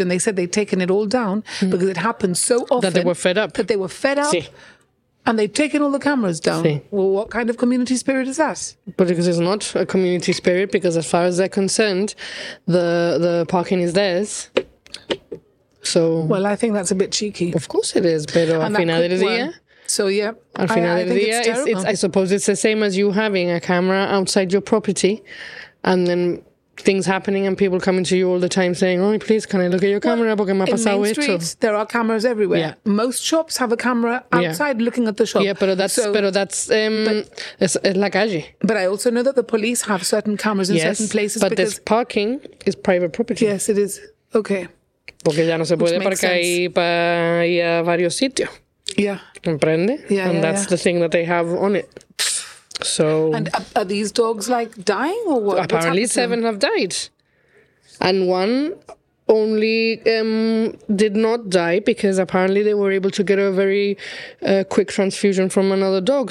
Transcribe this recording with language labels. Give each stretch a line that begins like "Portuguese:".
English: And they said they'd taken it all down because it happened so often. That they were fed up. That they were fed up.
Spanish: Sí.
English: And they've taken all the cameras down. Sí. Well, what kind of community spirit is that? But because it's not a community spirit, because as far as they're concerned, the parking is theirs. So, well, I think that's a bit cheeky. Of course it is,
Spanish: pero al final del día.
English: So, yeah.
Spanish: Al final del día,
English: I suppose it's the same as you having a camera outside your property and then things happening and people coming to you all the time saying, oh, please, can I look at your camera?
Spanish: Porque me ha pasado esto.
English: In Main Street, there are cameras everywhere. Yeah. Most shops have a camera outside looking at the shop. Yeah,
Spanish: pero
English: that's
Spanish: es la calle.
English: But I also know that the police have certain cameras in certain places. But this parking is private property. Yes, it is. Okay.
Spanish: Porque ya no se puede parcar ahí para ir a varios sitios.
English: Yeah.
Spanish: ¿Comprende?
English: Yeah, and that's the thing that they have on it. So. And are these dogs like dying or what? Apparently seven have died. And one only did not die because apparently they were able to get a very quick transfusion from another dog.